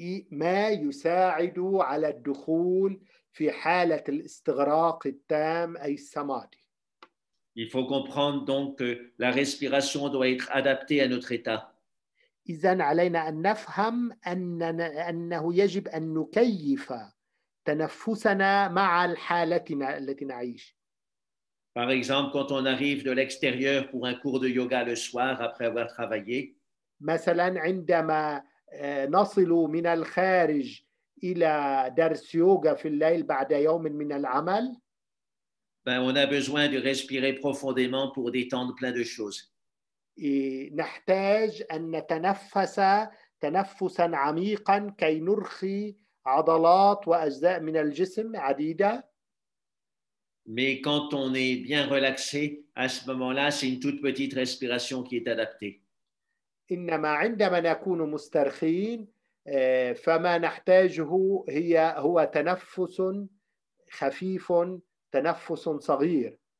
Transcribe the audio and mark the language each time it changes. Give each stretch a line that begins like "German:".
Arabic: ما يساعد على الدخول في حالة الاستغراق التام أي السمادي.
French: Il faut comprendre donc que la respiration doit être adaptée à notre état.
Arabic: إذن علينا أن نفهم أنه يجب أن نكيف تنفسنا مع حالتنا التي نعيش.
French: Par exemple, quand on arrive de l'extérieur pour un cours de yoga le soir après avoir travaillé.
Arabic: مثلا عندما نصل من الخارج إلى درس يوغا في الليل بعد يوم من العمل.
French: Ben, on a besoin de respirer profondément pour détendre plein de choses.
Arabic: نحتاج أن نتنفس تنفسا عميقا كي نرخي عضلات وأجزاء من الجسم عديدة.
French: Mais quand on est bien relaxé, à ce moment-là, c'est une toute petite respiration qui est adaptée.
Arabic: إنما عندما نكون مسترخين فما نحتاجه هو تنفس خفيف تنفس صغير.